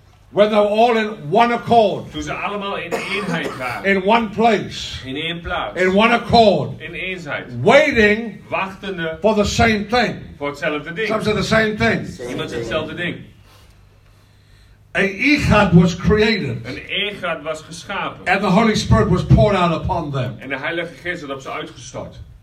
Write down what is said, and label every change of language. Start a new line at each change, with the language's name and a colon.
English: When they were all in one accord.
Dutch: Toen ze allemaal in eenheid waren.
English: In one place.
Dutch: In één plaats.
English: In one accord.
Dutch: In eenheid.
English: Waiting.
Dutch: Wachtende.
English: For the same thing.
Dutch: Voor hetzelfde ding.
English: Some said the same thing.
Dutch: Iemand zei hetzelfde ding.
English: An Ichad was created.
Dutch: Een Ichad was geschapen.
English: And the Holy Spirit was poured out upon them.
Dutch: En de Heilige Geest werd op ze uitgestort.